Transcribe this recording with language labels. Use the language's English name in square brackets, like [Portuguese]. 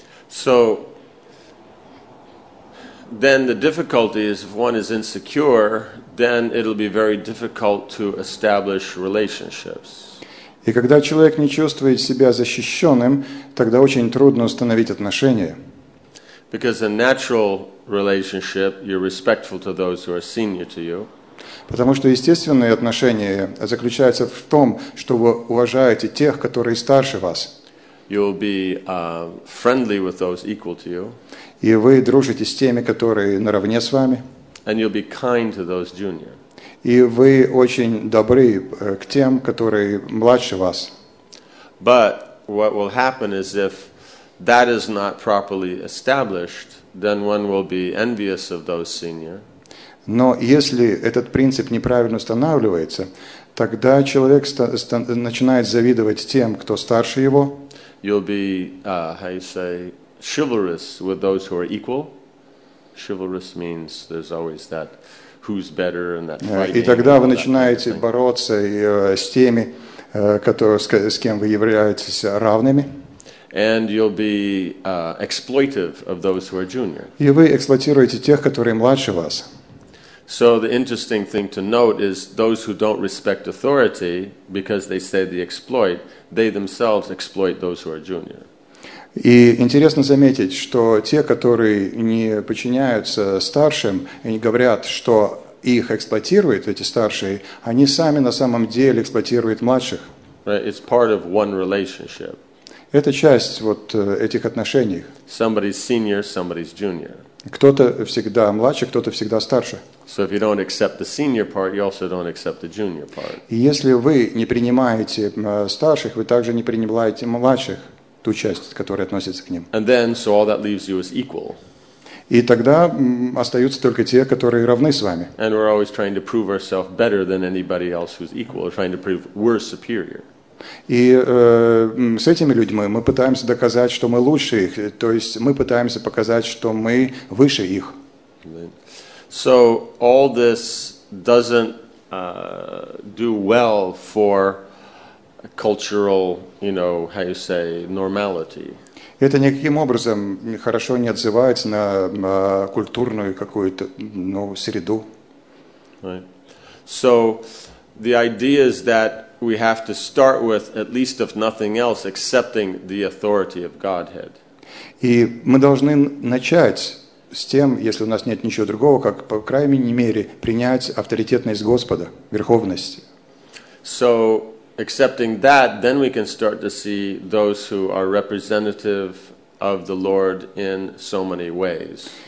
[English] So, then the difficulty is if one is insecure, then it'll be very difficult to establish relationships. [Russian] И когда человек не чувствует себя защищенным, тогда очень трудно установить отношения. [English] Because a natural relationship, you're respectful to those who are senior to you. [Russian] Потому что естественные отношения заключаются в том, что вы уважаете тех, которые старше вас. [English] You'll be friendly with those equal to you. [Russian] И вы дружите с теми, которые наравне с вами. [English] And you'll be kind to those junior. [Russian] И вы очень добры к тем, которые младше вас. [English] But what will happen is if that is not properly established, then one will be envious of those senior. [Russian] Но если этот принцип неправильно устанавливается, тогда человек начинает завидовать тем, кто старше его. [English] You'll be, chivalrous with those who are equal. Chivalrous means there's always that who's better and that fighting. [Russian] И тогда вы начинаете бороться с теми, с кем вы являетесь равными. [English] And you'll be exploitive of those who are junior. [Russian] И вы эксплуатируете тех, которые младше вас. [English] So the interesting thing to note is those who don't respect authority because they say they exploit, they themselves exploit those who are junior. [Russian] И интересно заметить, что те, которые не подчиняются старшим, они говорят, что их эксплуатируют, эти старшие, они сами на самом деле эксплуатируют младших. [English] Right. It's part of one relationship. [Russian] Это часть вот этих отношений. [English] Somebody's senior, somebody's junior. [Russian] Кто-то всегда младше, кто-то всегда старше. [English] So if you don't accept the senior part, you also don't accept the junior part. [Russian] И если вы не принимаете старших, вы также не принимаете младших, ту часть, которая относится к ним. [English] And then, so all that leaves you is equal. [Russian] И тогда остаются только те, которые равны с вами. [English] And we're always trying to prove ourselves better than anybody else who's equal, or trying to prove we're superior. [Russian] И с этими людьми мы пытаемся доказать, что мы лучше их, то есть мы пытаемся показать, что мы выше их. [English] So all this doesn't do well for cultural, you know, how you say, normality. [Russian] Это никаким образом хорошо не отзывается на культурную какую-то, ну, среду. [English] Right. So the idea is that we have to start with, at least if nothing else, accepting the authority of Godhead. [Russian] И мы должны начать с тем, если у нас нет ничего другого, как, по крайней мере, принять авторитетность Господа, верховность. [English] So, accepting that, then we can start to see those who are representative of the Lord in so many ways.